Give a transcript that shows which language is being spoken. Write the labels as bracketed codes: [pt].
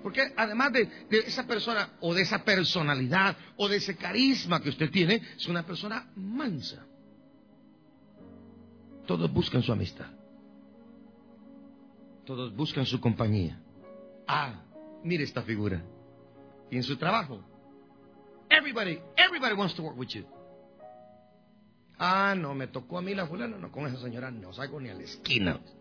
[es] Porque además de esa persona o de esa personalidad o de ese carisma que usted tiene, es una persona mansa. Todos buscan su amistad. Todos buscan su compañía. Ah, mire esta figura. Y en su trabajo. [en] Everybody wants to work with you. [es] Ah, no, me tocó a mí la fulana. No, con esa señora no salgo ni a la esquina.